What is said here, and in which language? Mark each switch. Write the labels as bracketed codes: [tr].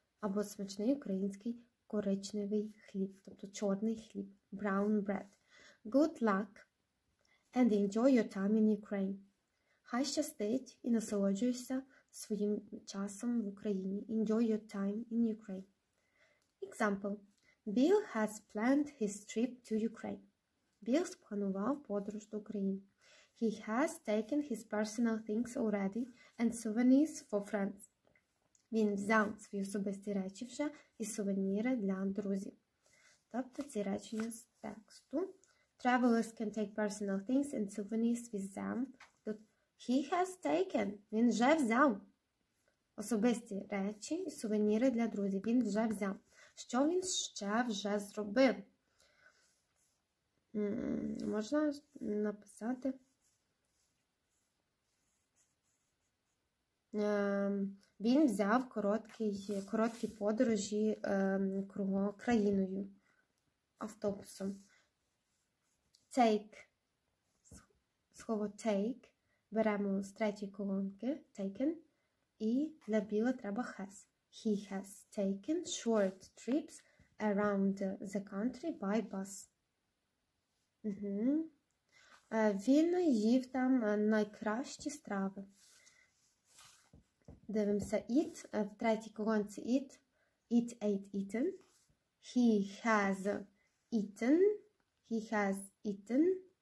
[uk] Або смачний український коричневий хліб, тобто чорний хліб. [en] Brown bread. Good luck and enjoy your time in Ukraine. [uk] Хай щастить і насолоджуйся своїм часом в Україні. [en] Enjoy your time in Ukraine. Example. Bill has planned his trip to Ukraine. [uk] Білл спланував подорож до України. [en] He has taken his personal things already and souvenirs for friends. [uk] Він взяв свої особисті речі вже і сувеніри для друзів. Тобто ці речення з тексту. [en] Travelers can take personal things and souvenirs with them. He has taken. [uk] Він вже взяв особисті речі і сувеніри для друзів. Він вже взяв. Що він ще вже зробив? Можна написати він взяв короткі подорожі країною автобусом. [en] Take. [uk] Слово take беремо з третьої колонки taken і для Біла треба has. [en] He has taken short trips around the country by bus. Угу. [uk] Він їв там найкращі страви. Дивимося, eat. В третій колонці eat. [en] Eat, ate, eaten. He has eaten. He has eaten.